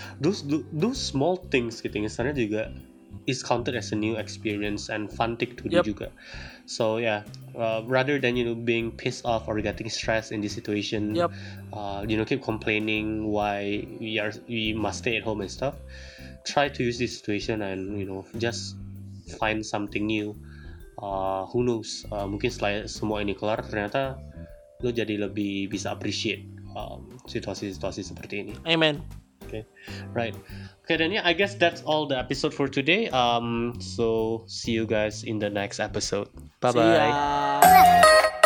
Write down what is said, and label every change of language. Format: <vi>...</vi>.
<en>Those small things</en> <id>gitu,</id> <en>misalnya juga is counted as a new experience and fun thing to do juga. So yeah, rather than you know being pissed off or getting stressed in this situation, you know keep complaining why we must stay at home and stuff, try to use this situation and you know just find something new. Who knows?</en> <id>Mungkin setelah semua ini kelar, ternyata lo jadi lebih bisa appreciate situasi-situasi seperti ini.</id> <en>Amen. Okay, right. Okay, then yeah, I guess that's all the episode for today. So see you guys in the next episode. Bye bye.</en>